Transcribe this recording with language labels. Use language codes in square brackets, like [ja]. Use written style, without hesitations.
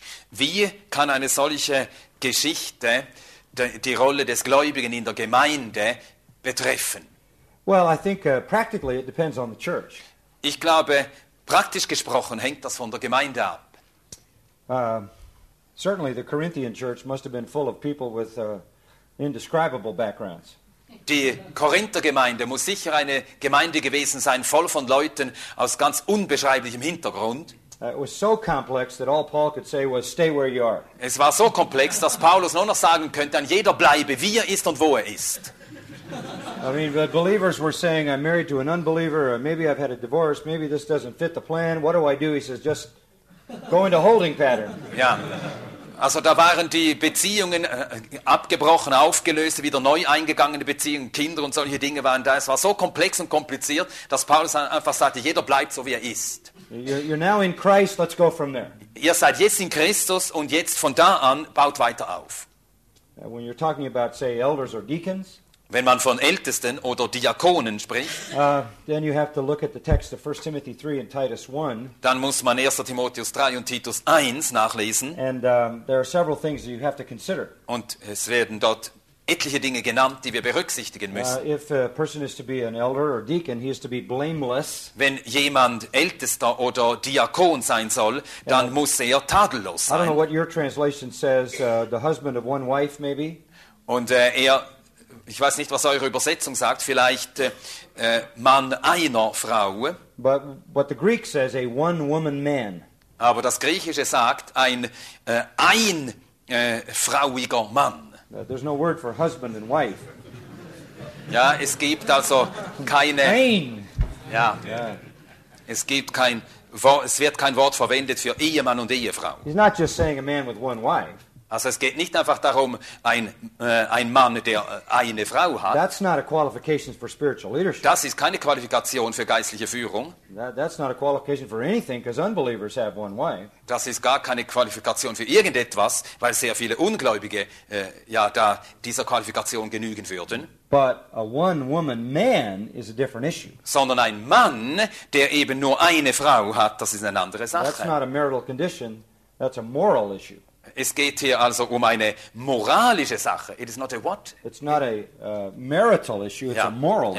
[de] Wie kann eine solche Geschichte die Rolle des Gläubigen in der Gemeinde betreffen? [en] Well, I think practically it depends on the church. [de] Ich glaube, praktisch gesprochen hängt das von der Gemeinde ab. [en] Certainly the Corinthian church must have been full of people with indescribable backgrounds. [de] Die Korinther-Gemeinde muss sicher eine Gemeinde gewesen sein, voll von Leuten aus ganz unbeschreiblichem Hintergrund. [en] It was so complex that all Paul could say was stay where you are. [de] Es war so komplex, dass Paulus nur noch sagen könnte, an jeder bleibe, wie ist und wo ist. [en] I mean, the believers were saying, I'm married to an unbeliever, or maybe I've had a divorce, maybe this doesn't fit the plan, what do I do? He says, just go into holding pattern. [de] Ja. Also da waren die Beziehungen abgebrochen, aufgelöst, wieder neu eingegangene Beziehungen, Kinder und solche Dinge waren da. Es war so komplex und kompliziert, dass Paulus einfach sagte, jeder bleibt so, wie ist. [en] You're now in Christ, let's go from there. [de] Ihr seid jetzt in Christus und jetzt von da an baut weiter auf. [en] When you're talking about, say, elders or deacons, [de] wenn man von Ältesten oder Diakonen spricht, [en] then you have to look at the text of 1 Timothy 3 and Titus 1. [de] Dann muss man 1. Timotheus 3 und Titus 1 nachlesen. [en] And there are several things that you have to consider. [de] Und es werden dort etliche Dinge genannt, die wir berücksichtigen müssen. Wenn jemand Ältester oder Diakon sein soll, dann muss er tadellos sein. [en] I don't know what your translation says, the husband of one wife maybe. [de] Und ich weiß nicht, was eure Übersetzung sagt, vielleicht Mann einer Frau. [en] But what the Greek says, a one woman man. [de] Aber das Griechische sagt, ein frauiger Mann. [en] There's no word for husband and wife. [de] Ja, es gibt also keine. Ein. Ja. Es gibt kein Wort, es wird kein Wort verwendet für Ehemann und Ehefrau. [en] He's not just saying a man with one wife. [de] Also es geht nicht einfach darum, ein Mann, der eine Frau hat. [en] That's not a qualification for spiritual leadership. [de] Das ist keine Qualifikation für geistliche Führung. [en] That's not a qualification for anything, because unbelievers have one wife. [de] Das ist gar keine Qualifikation für irgendetwas, weil sehr viele Ungläubige da dieser Qualifikation genügen würden. [en] But a one-woman man is a different issue. [de] Sondern ein Mann, der eben nur eine Frau hat, das ist eine andere Sache. [en] That's not a marital condition, that's a moral issue. [de] Es geht hier also um eine moralische Sache. [en] It is not a what? It's not a marital issue, it's a moral issue.